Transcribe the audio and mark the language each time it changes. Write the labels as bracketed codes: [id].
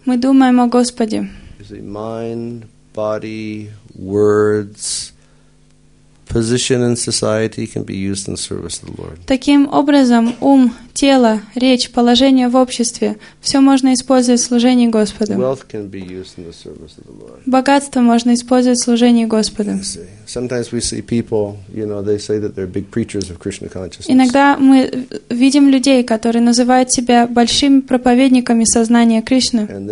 [ru] Мы думаем о Господе. [en] Mind, body, words, position in society can be used in service of the Lord. [ru] Таким образом, ум, тело, речь, положение в обществе, все можно использовать в служении Господу. [en] Wealth can be used in the service of the Lord. [ru] Богатство можно использовать в служении Господу. [en] Sometimes we see people, you know, they say that they're big preachers of Krishna consciousness. [ru] Иногда мы видим людей, которые называют себя большими проповедниками сознания Кришны.